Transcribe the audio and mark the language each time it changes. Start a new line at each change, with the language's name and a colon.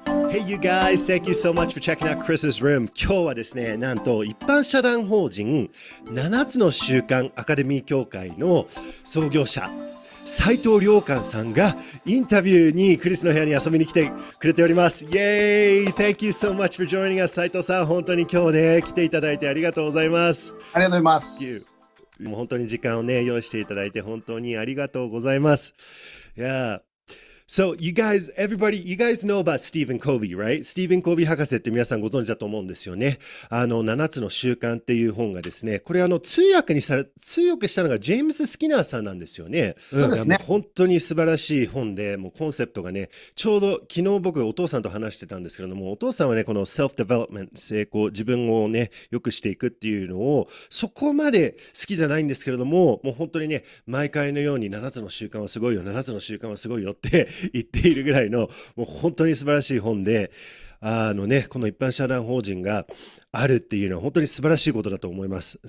English: Hey you guys, thank you so much for checking out Chris's room.
Japanese: 今日はですね、なんと一般社団法人7つの習慣アカデミー協会の創業者斉藤良寛さんがインタビューにクリスの部屋に遊びに来てくれております。イエーイ、
English: Thank you so much for joining us
Japanese: 斉藤さん、本当に今日ね来ていただいてありがとうございます。ありがとうございます。もう本当に時間をね用意していただいて本当にありがとうございます。
English: いやー、So you guys, everybody, you guys know about Stephen Covey, right?
Japanese: Stephen Covey 博士って皆さんご存知だと思うんですよね。あの7つの習慣っていう本がですね、これあの通訳したのがジェームス・スキナーさんなんですよね。そうですね。本当に素晴らしい本で、もうコンセプトがね、ちょうど昨日僕お父さんと話してたんですけども、お父さんはね、この self development 成功、自分をね、良くしていくっていうのをそこまで好きじゃないんですけれども、もう本当にね、毎回のように7つの習慣はすごいよ、7つの習慣はすごいよって言っているぐらいの、もう本当に素晴らしい本で、あのね、この一般社団法人があるっていうのは本当に素晴らしいことだと思います。